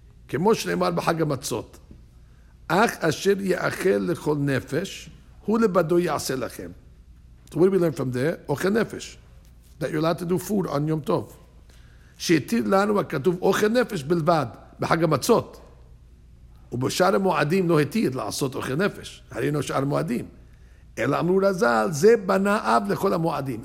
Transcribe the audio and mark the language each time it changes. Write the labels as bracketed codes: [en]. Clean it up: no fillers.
[he] כמו שנאמר בחג המצות, אך אשר יאכל לכל נפש, הוא לבדו יעשה לכם. [en] So what do we learn from there? אוכל נפש. That you're allowed to do food on Yom Tov. [he] שיתיר לנו הכתוב אוכל נפש בלבד, בחג המצות. ובשאר המועדים לא התיר לעשות אוכל נפש. הרינו שאר המועדים. אלא אמרו לזל, זה בנה אב לכל המועדים.